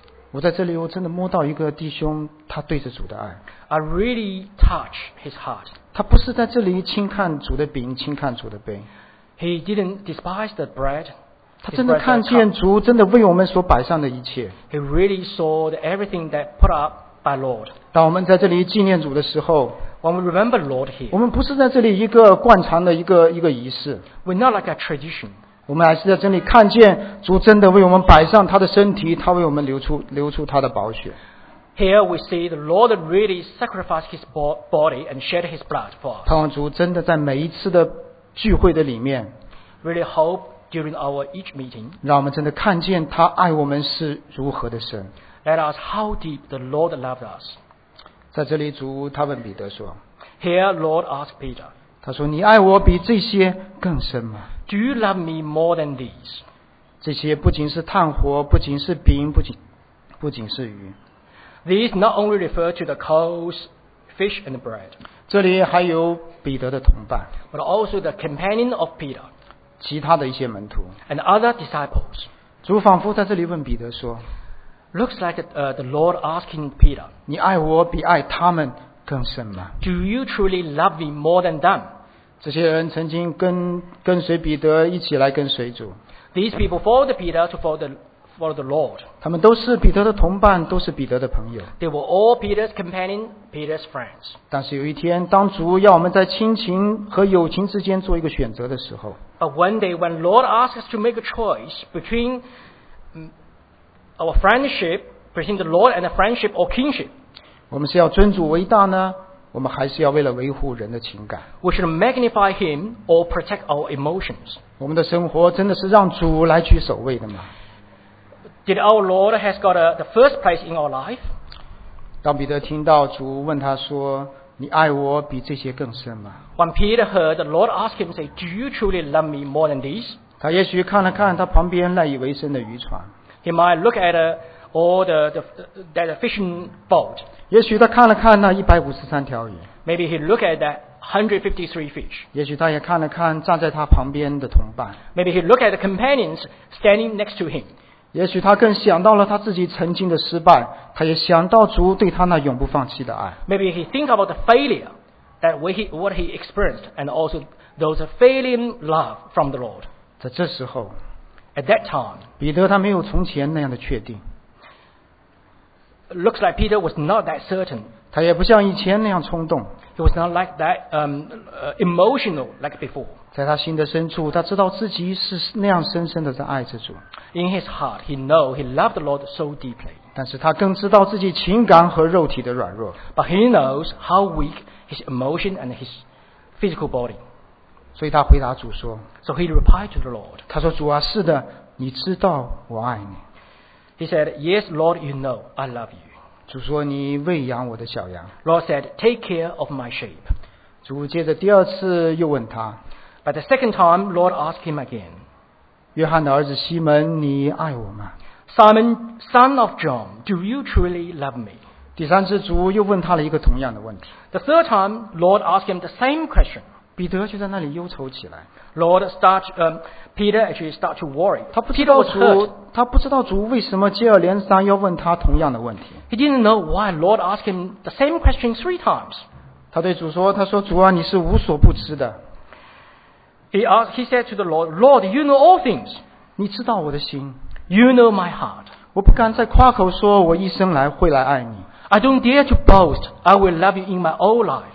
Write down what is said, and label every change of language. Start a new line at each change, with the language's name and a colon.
Chinese: 我在这里，我真的摸到一个弟兄，他对着主的爱。
English: I really touch his heart.
Chinese: 他不是在这里轻看主的饼，轻看主的杯。
English: He didn't despise the bread.
Chinese: 他真的看见主真的为我们所摆上的一切。
English: He really saw everything that put up by Lord.
Chinese: 当我们在这里纪念主的时候，
English: When we remember Lord here,
Chinese: 我们不是在这里一个惯常的一个仪式。
English: We're not like a tradition.
Chinese: 我们还是在这里看见主真的为我们摆上他的身体，他为我们流出他的宝血。
English: Here we see the Lord really sacrificed his body and shed his blood for us.
Chinese: 盼望主真的在每一次的聚会的里面，
English: really hope during our each meeting,
Chinese: 让我们真的看见他爱我们是如何的深。
English: Let us how deep the Lord loved us.
Chinese: 在这里主他问彼得说，
English: Here Lord asked Peter,
Chinese: 他说你爱我比这些更深吗？
English: Do you love me more than these?
Chinese: 这些不仅是炭火，不仅是饼，不仅是鱼。
English: These not only refer to the coals, fish and bread.
Chinese: 这里还有彼得的同伴。
English: But also the companion of Peter.
Chinese: 其他的一些门徒。
English: And other disciples.
Chinese: 主仿佛在这里问彼得说，
English: Looks like the Lord asking Peter.
Chinese: 你爱我比爱他们更深吗？
English: Do you truly love me more than them?
Chinese: 这些人曾经跟随彼得一起来跟随主。
English: These people followed Peter to follow the Lord.
Chinese: 他们都是彼得的同伴，都是彼得的朋友。
English: They were all Peter's companion, Peter's friends.
Chinese: 但是有一天，当主要我们在亲情和友情之间做一个选择的时候，
English: But one day when Lord asks us to make a choice between our friendship, between the Lord and the friendship or kingship,
Chinese: 我们是要尊主为大呢？我们还是要为了维护人的情感。
English: We should magnify him or protect our emotions.
Chinese: 我们的生活真的是让主来去守卫的吗？
English: Did our Lord has got the first place in our life?
Chinese: 当彼得听到主问他说，你爱我比这些更深吗？
English: When Peter heard, the Lord asked him, say, Do you truly love me more than these?
Chinese: 他也许看了看他旁边赖以为生的渔船。
English: He might look at all the fishing boat.
Chinese: 也许他看了看那153条鱼。
English: Maybe he looked at that 153 fish.
Chinese: 也许他也看了看站在他旁边的同伴。
English: Maybe he looked at the companions standing next to him.
Chinese: 也许他更想到了他自己曾经的失败，他也想到主对他那永不放弃的爱。
English: Maybe he think about the failure that what he experienced, and also those failing love from the Lord.
Chinese: 在这时候
English: ，at that time，
Chinese: 彼得他没有从前那样的确定。
English: Looks like Peter was not that certain.
Chinese: 他也不像以前那样冲动。
English: He was not like that emotional like before.
Chinese: 在他心的深处，他知道自己是那样深深的在爱着主。
English: In his heart, he knows he loved the Lord so deeply.
Chinese: 但是他更知道自己情感和肉体的软弱。
English: But he knows how weak his emotion and his physical body.
Chinese: 所以他回答主说。
English: So he replied to the Lord.
Chinese: 他说：“主啊，是的，你知道我爱你。
English: ”He said, "Yes, Lord, you know I love you."
Chinese: 主说：“你喂养我的小羊。
English: ”Lord said, "Take care of my sheep."
Chinese: 主接着第二次又问他。
English: But the second time, Lord asked him again.
Chinese: 约翰的儿子西门，你爱我吗？
English: Simon, son of John, do you truly love me?
Chinese: 第三次主又问他了一个同样的问题。
English: The third time, Lord asked him the same question.
Chinese: 彼得就在那里忧愁起来。
English: Lord start, Peter actually start to worry.
Chinese: 他不知道主为什么接二连三要问他同样的问题。
English: He didn't know why Lord asked him the same question three times.
Chinese: 他对主说，他说主啊，你是无所不知的。
English: He said to the Lord, Lord, you know all things.
Chinese: 你知道我的心。
English: You know my heart.
Chinese: 我不敢再夸口说我一生来会来爱你。
English: I don't dare to boast I will love you in my old life.